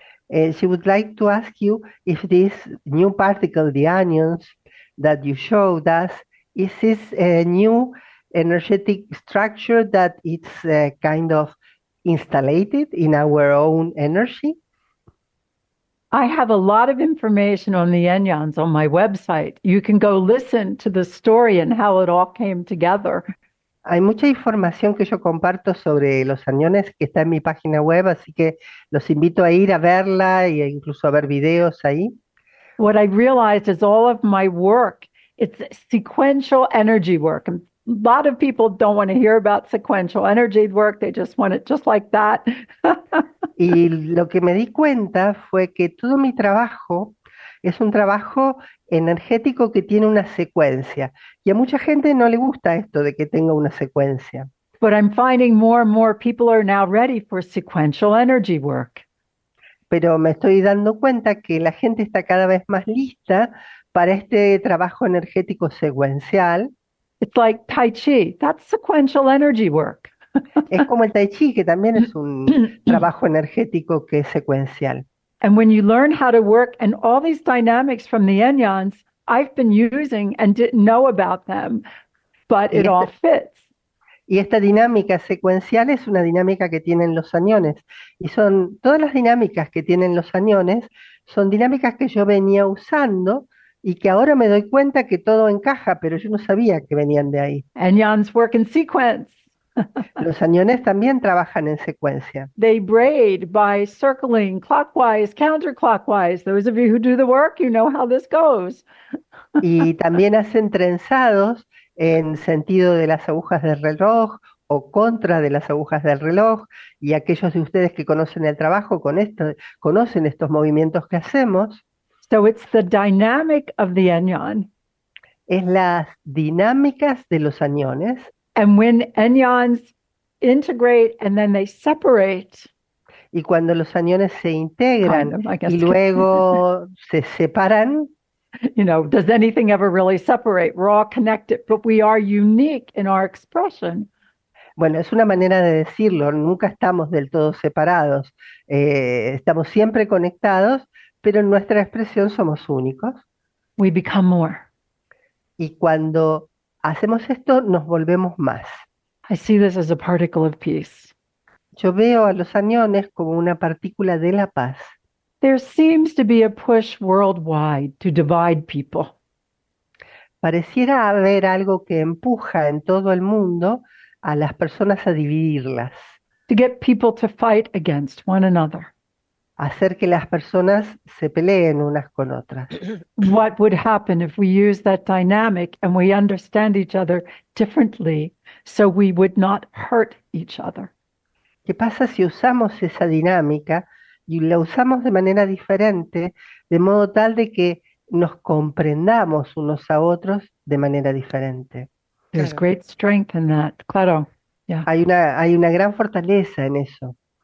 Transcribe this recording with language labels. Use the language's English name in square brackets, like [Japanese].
[English] She would like to ask you if this new particle, the anions that you showed us, is this a new energetic structure that it's kind of installated in our own energy? I have a lot of information on the anyons on my website. You can go listen to the story and how it all came together. [Spanish] Hay mucha información que yo comparto sobre los aniones que está en mi página web, así que los invito a ir a verla e incluso a ver videos ahí. [English] What I realized is all of my work, it's sequential energy work. A lot of people don't want to hear about sequential energy work. They just want it just like that. [Spanish] Y lo que me di cuenta fue que todo mi trabajo es un trabajo energético que tiene una secuencia. Y a mucha gente no le gusta esto de que tenga una secuencia. [English] But I'm finding more and more people are now ready for sequential energy work. [Spanish] Pero me estoy dando cuenta que la gente está cada vez más lista para este trabajo energético secuencial. [English] It's like Tai Chi, that's sequential energy work. [Spanish] Es como el Tai Chi, que también es un trabajo energético que es secuencial. [English] And when you learn how to work and all these dynamics from the Enyans, I've been using and didn't know about them, but [Spanish] Y [English] it all fits. [Spanish] esta dinámica secuencial es una dinámica que tienen los aniones. Y son todas las dinámicas que tienen los aniones, son dinámicas que yo venía usando y que ahora me doy cuenta que todo encaja, pero yo no sabía que venían de ahí. [English] Anyons work in sequence. [Spanish] Los aniones también trabajan en secuencia. [English] They braid by circling clockwise, counterclockwise. Those of you who do the work, you know how this goes. [Spanish] Y también hacen trenzados en sentido de las agujas del reloj o contra de las agujas del reloj. Y aquellos de ustedes que conocen el trabajo con esto, conocen estos movimientos que hacemos. [English] So it's the dynamic of the anyon. [Spanish] Es las dinámicas de los aniones. [English] And when anyons integrate and then they separate, [Spanish] Y cuando los aniones se [English] kind [Spanish] integran [English] of, I [Spanish] y [English] guess. [Spanish] luego se separan, [English] Does anything ever really separate? We're all connected, but we are unique in our expression. [Spanish] Bueno, es una manera de decirlo, nunca estamos del todo separados, estamos siempre conectados, pero en nuestra expresión somos únicos. [English] We become more. [Spanish] Y cuando hacemos esto, nos volvemos más. [English] I see this as a particle of peace. [Spanish] Yo veo a los añones como una partícula de la paz. [English] There seems to be a push worldwide to divide people. [Spanish] Pareciera haber algo que empuja en todo el mundo a las personas a dividirlas. [English] To get people to fight against one another. [Spanish] Hacer que las personas se peleen unas con otras. [English] What would happen if we use that dynamic and we understand each other differently so we would not hurt each other? [Spanish] ¿Qué pasa si usamos esa dinámica y la usamos de manera diferente, de modo tal de que nos comprendamos unos a otros de manera diferente? [English] There's great strength in that, claro. Yeah. [Spanish] Hay una gran fortaleza en eso.